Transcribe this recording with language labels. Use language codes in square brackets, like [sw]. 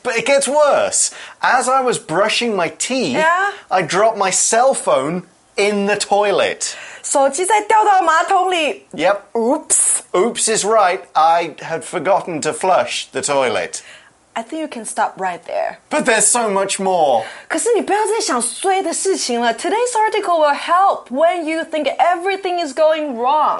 [en] But it gets worse. As I was brushing my teeth, yeah? I dropped my cell phone in the toilet. [zh] 手机在掉到马桶里。 [en] Yep. Oops. Oops is right, I had forgotten to flush the toilet. I think you can stop right there. But there's so much more. [zh] 可是你不要再想衰的事情了。 [en] Today's article will help when you think everything is going wrong.